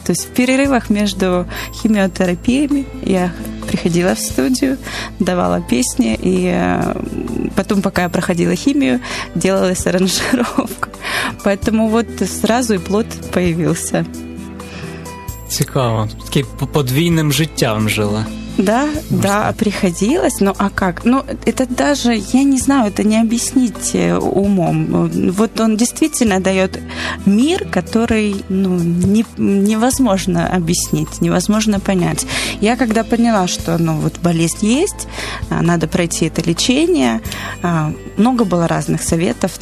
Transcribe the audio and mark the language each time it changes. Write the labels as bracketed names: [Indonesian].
[Russian] То есть в перерывах между химиотерапиями я приходила в студию, давала песни, и потом, пока я проходила химию, делалась аранжировка. Поэтому вот сразу и плод появился. [Ukrainian] Цікаво. Таки подвійним життям жила. [Russian] Да, может, да, так? Приходилось. Ну, а как? Ну, это даже, я не знаю, это не объяснить умом. Вот он действительно дает мир, который, ну, невозможно объяснить, невозможно понять. Я когда поняла, что, ну, вот болезнь есть, надо пройти это лечение, много было разных советов.